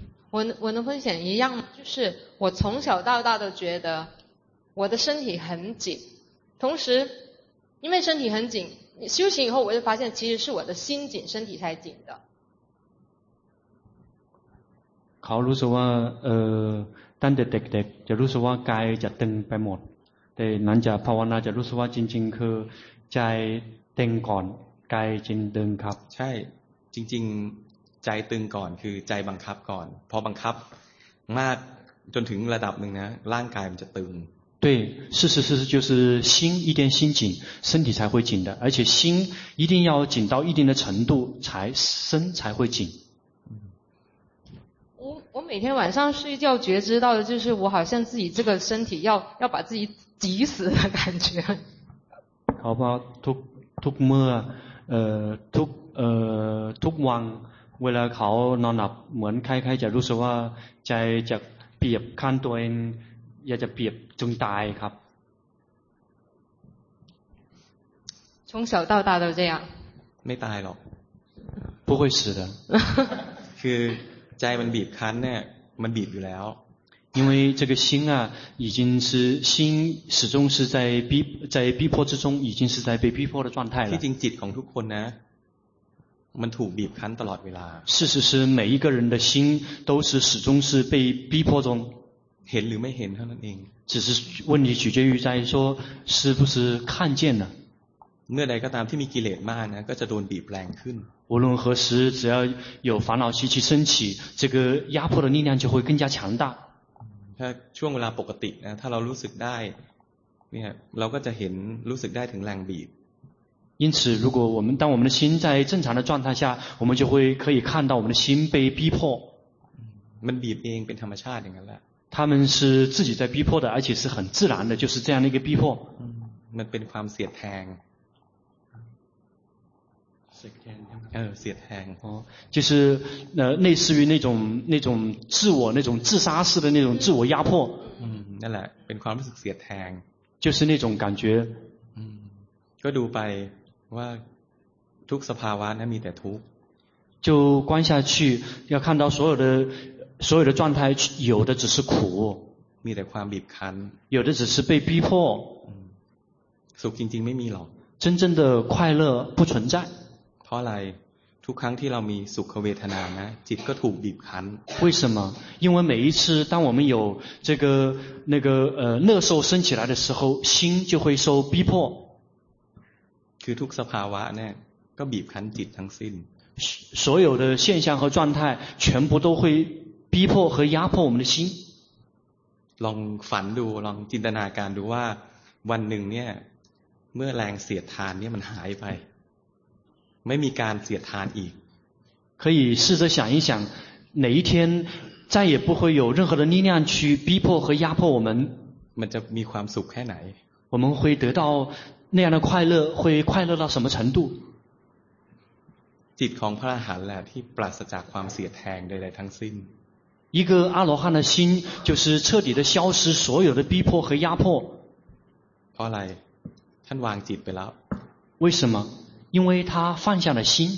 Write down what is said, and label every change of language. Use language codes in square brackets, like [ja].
[zh] 我能分享一样，就是我从小到大都觉得我的身体很紧，同时。因为身体很紧，修行以后我就发现，其实是我的心紧，身体才紧的。 [th] เขารู้สึกว่าตั้งแต่เด็กๆจะรู้สึกว่ากายจะตึงไปหมดแต่หลังจากภาวนาจะรู้สึกว่าจริงๆคือใจตึงก่อนกายจึงตึงครับ ใช่จริงๆใจตึงก่อนคือใจบังคับก่อนพอบังคับมากจนถึงระดับหนึ่งนะร่างกายมันจะตึง [zh] 对，事实就是心一定心紧，身体才会紧的，而且心一定要紧到一定的程度，身才会紧。我每天晚上睡觉觉知道的就是我好像自己这个身体要把自己挤死的感觉。好吧， [th] ทุกเมื่อทุกวันเวลาเขานอนหลับเหมือนคล้ายๆจะรู้สึกว่าใจจะเปียกขั้นตัวเองอยากจะเปรียบจงตายครับ [zh] 从小到大都这样 [th] ไม่ตายหรอก [zh] 不会死的 [th] คือใจมันบีบคั้นเนี่ยมันบีบอยู่แล้ว [zh] 因为这个心啊已经是心始终是在逼迫之中已经是在被逼迫的状态了 [th] ที่จริงจิตของทุกคนนะมันถูกบีบคั้นตลอดเวลา [zh] 事实是每一个人的心都是始终是被逼迫中 [th] เห็นหรือไม่เห็นเท่านั้นเอง [zh] 只是问题取决于在说是不是看见了 [th] เมื่อใดก็ตามที่มีกิเลสมากนะก็จะโดนบีบแรงขึ้น [zh] 无论何时只要有烦恼习气升起这个压迫的力量就会更加强大 [th] ถ้าช่วงเวลาปกตินะถ้าเรารู้สึกได้เนี่ยเราก็จะเห็นรู้สึกได้ถึงแรงบีบ [zh] 因此如果当我们的心在正常的状态下我们就会可以看到我们的心被逼迫 [th] มันบีบเองเป็นธรรมชาติอย่างนั้นแหละ [zh] 他们是自己在逼迫的，而且是很自然的，就是这样的一个逼迫。嗯，那变成 [th] ความเสียดแทง。 เสียดแทง。哦， [zh] 就是类似于那种自我那种自杀式的那种自我压迫。 [th] 嗯， [zh] 那 [th] แหละ，เป็นความรู้สึกเสียดแทง。 [zh] 就是那种感觉。 [th] 嗯，ก็ดูไปว่าทุกสภาวะนั้นมีแต่ทุก。 [zh] 就观下去，要看到所有的状态有的只是苦 [th] มีแต่ความบีบคั้น [zh] 有的只是被逼迫 [th] สุขจริงๆไม่มีหรอก [zh] 真正的快乐不存在 [th] เพราะอะไรทุกครั้งที่เรามีสุขเวทนานะจิตก็ถูกบีบคั้น [zh] 为什么因为每一次当我们有这个那个乐受升起来的时候心就会受逼迫 [th] คือทุกสภาวะเนี่ยก็บีบคั้นจิตทั้งสิ้น [zh] 所有的现象和状态全部都会逼迫和压迫我们的心 [th] ลองฝันดูลองจินตนาการดูว่าวันหนึ่งเนี่ยเมื่อแรงเสียดทานเนี่ยมันหายไปไม่มีการเสียดทานอีก [zh] 可以试着想一想哪一天再也不会有任何的力量去逼迫和压迫我们 [th] มันจะมีความสุขแค่ไหน [zh] 我们会得到那样的快乐会快乐到什么程度 [th] จิตของพระอรหันต์แหละที่ปราศจากความเสียดแทงใดๆทั้งสิ้น [zh] 一个阿罗汉的心就是彻底的消失所有的逼迫和压迫 [th] เพราะอะไรท่านวางจิตไปแล้ว [zh] 为什么因为他放下了心